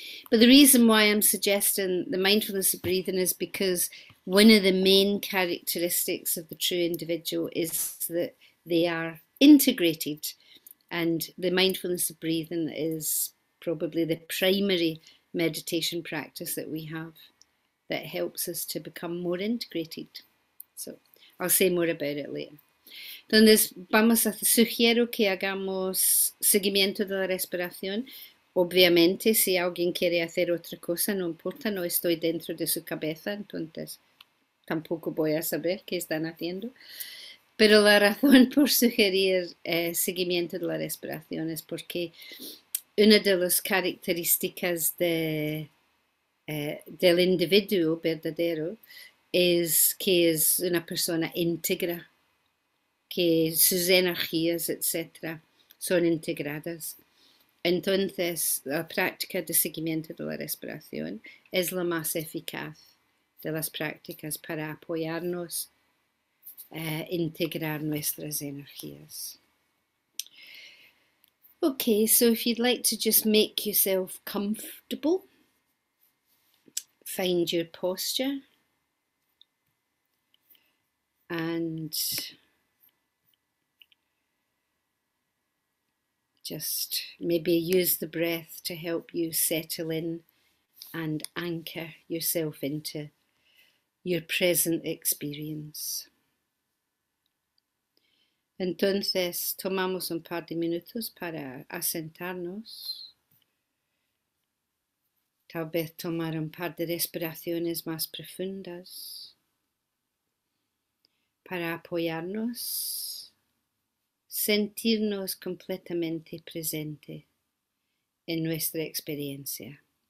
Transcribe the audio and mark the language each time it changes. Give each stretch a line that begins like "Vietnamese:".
English: But the reason why I'm suggesting the mindfulness of breathing is because one of the main characteristics of the true individual is that they are integrated, and the mindfulness of breathing is probably the primary meditation practice that we have that helps us to become more integrated. So I'll say more about it later.
Spanish: Entonces, vamos a sugiero que hagamos seguimiento de la respiración. Obviamente, si alguien quiere hacer otra cosa, no importa, no estoy dentro de su cabeza, entonces tampoco voy a saber qué están haciendo. Pero la razón por sugerir seguimiento de la respiración es porque una de las características del individuo verdadero es que es una persona íntegra, que sus energías, etcétera, son integradas. Entonces, la práctica de seguimiento de la respiración es la más eficaz de las prácticas para apoyarnos a integrar nuestras energías.
English: Okay, so if you'd like to just make yourself comfortable, find your posture and just maybe use the breath to help you settle in and anchor yourself into your present experience.
Spanish: Entonces, tomamos un par de minutos para asentarnos. Tal vez tomar un par de respiraciones más profundas para apoyarnos, sentirnos completamente presente en nuestra experiencia.